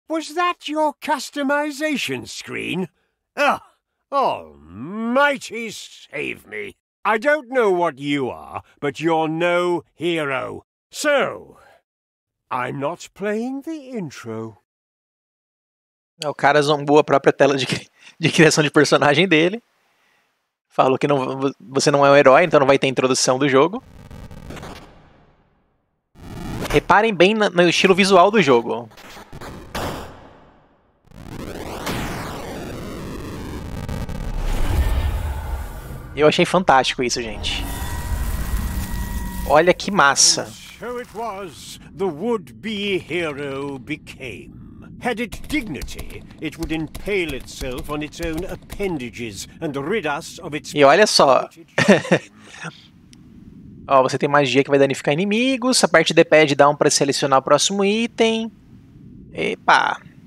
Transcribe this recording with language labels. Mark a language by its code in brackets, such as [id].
[en] Was that your customization screen? Ah, almighty save me. I don't know what you are, but you're no hero. So... I'm not playing the intro. [pt] O cara zombou a própria tela de criação de personagem dele. Falou que não, você não é um herói, então não vai ter introdução do jogo. Reparem bem no estilo visual do jogo. Eu achei fantástico isso, gente. Olha que massa. [en] So it was, the would-be hero became. Had it dignity, it would impale itself on its own appendages and rid us of its... [pt] E olha só. Ó, você tem magia que vai danificar inimigos, a parte de pé de down pra selecionar o próximo item. Epa.